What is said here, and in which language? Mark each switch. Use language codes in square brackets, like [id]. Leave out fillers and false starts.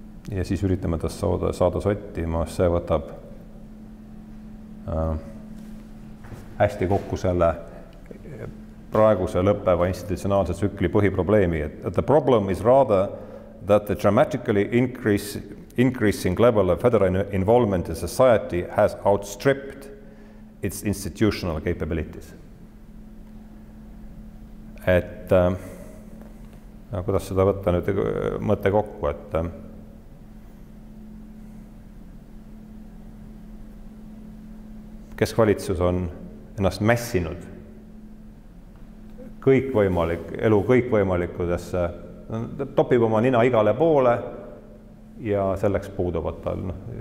[et] Ja siis üritame ta saada sottima, see võtab hästi kokku selle praeguse lõppeva institutsionaalse tsükli põhiprobleemi. [en] The problem is rather that the dramatically increasing level of federal involvement in society has outstripped its institutional capabilities. [et] Et kuidas seda võtta nüüd mõte kokku, et keskvalitsus on ennast mässinud kõikvõimalikudesse, topib oma nina igale poole ja selleks puuduvad tal.